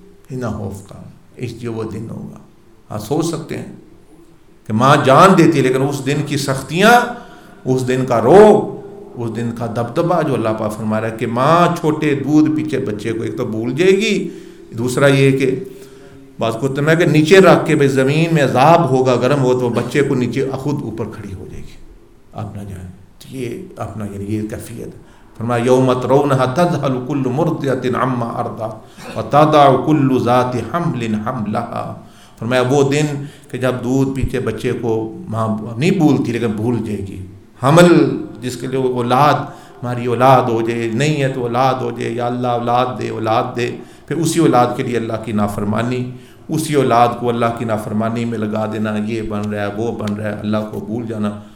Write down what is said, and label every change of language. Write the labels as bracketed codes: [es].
[ur] اتنا خوف کا اس جو وہ دن ہوگا. ہاں سوچ سکتے ہیں کہ ماں جان دیتی ہے, لیکن اس دن کی سختیاں, اس دن کا روگ, اس دن کا دبدبا جو اللہ پاک فرما رہا ہے کہ ماں چھوٹے دودھ پیچھے بچے کو ایک تو بھول جائے گی, دوسرا یہ کہ بعض کو تمہیں کہ نیچے رکھ کے بھائی زمین میں عذاب ہوگا گرم ہو, تو بچے کو نیچے خود اوپر کھڑی ہو جائے گی اپنا جائیں. تو یہ اپنا یعنی یہ کیفیت. فرمایا [ar] یوم ترونها تذهل كل مرضعة عما ارضعت وتضع كل ذات حمل حملها. [ur] فرمایا وہ دن کہ جب دودھ پیتے بچے کو ماں نہیں بھولتی لیکن بھول جائے گی, حمل جس کے لیے اولاد, ہماری اولاد ہو جائے, نہیں ہے تو اولاد ہو جائے, یا اللہ اولاد دے اولاد دے. پھر اسی اولاد کے لیے اللہ کی نافرمانی, اسی اولاد کو اللہ کی نافرمانی میں لگا دینا, یہ بن رہا ہے وہ بن رہا ہے, اللہ کو بھول جانا.